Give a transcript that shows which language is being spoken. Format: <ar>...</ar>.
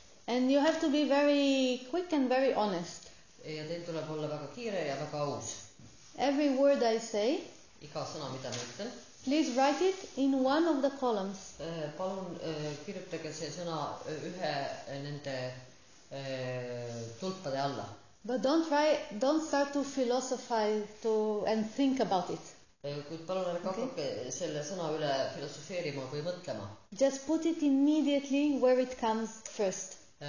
<en>And you have to be very quick and very honest.</en> <et>Ja teil tuleb olla väga kiire ja väga aus.</et> <en>Every word I say.</en> <et>Iga sõna, mida ma ütlen.</et> <en>Please write it in one of the columns.</en> <et>Palun kirjutage see sõna ühe nende tulpade alla.</et> <en>But don't start to philosophize to and think about it.</en> <et>Kuid palun ära kakake selle sõna üle filosofeerima või mõtlema.</et> <en>Just put it immediately where it comes first.</en>